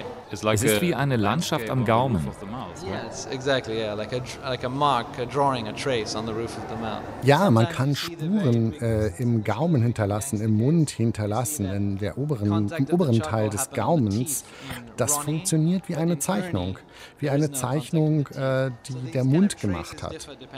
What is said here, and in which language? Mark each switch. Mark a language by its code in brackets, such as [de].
[de] Es ist wie eine Landschaft am Gaumen. [en] Yes, exactly. Yeah, like a mark, a drawing, a trace on the roof of the mouth. [de] Ja, man kann Spuren im Gaumen hinterlassen, im Mund hinterlassen, in der oberen, im oberen Teil des Gaumens. Das funktioniert wie eine Zeichnung, die der Mund gemacht hat.